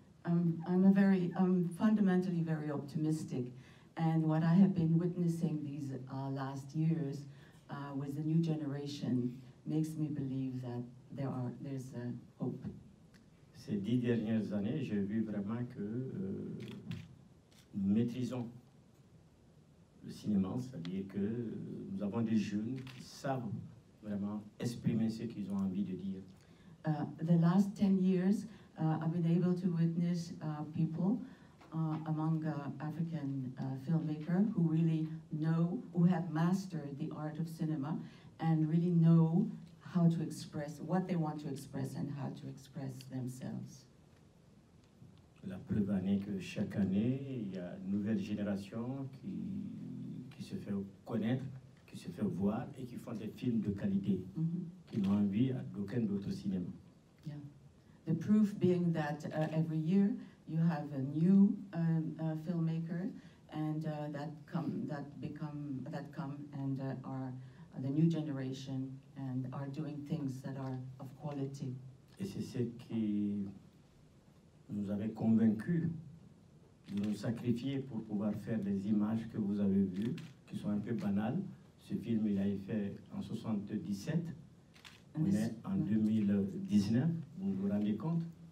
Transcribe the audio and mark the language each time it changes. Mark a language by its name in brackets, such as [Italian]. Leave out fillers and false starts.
[English] I'm fundamentally very optimistic, and what I have been witnessing these last years with the new generation makes me believe that there's a hope. [French] Ces 10 dernières années, j'ai vu vraiment que nous maîtrisons le cinéma, c'est-à-dire que nous avons des jeunes qui savent vraiment exprimer ce qu'ils ont envie de dire. [English] The last 10 years, I've been able to witness people among African filmmaker who really know, who have mastered the art of cinema and really know how to express what they want to express and how to express themselves. [French] La preuve en est que chaque année, il y a une nouvelle génération qui se fait connaître, qui se fait voir et qui font des films de qualité, mm-hmm. qui n'ont envie à aucun autre cinéma. [English] Yeah. The proof being that every year you have a new filmmaker and that come and are the new generation and are doing things that are of quality. [French] Et c'est ce qui nous avait convaincu de nous sacrifier pour pouvoir faire des images que vous avez vues, qui sont un peu banales. Ce film, il a été fait en 77, mais en 2019, vous vous rendez compte?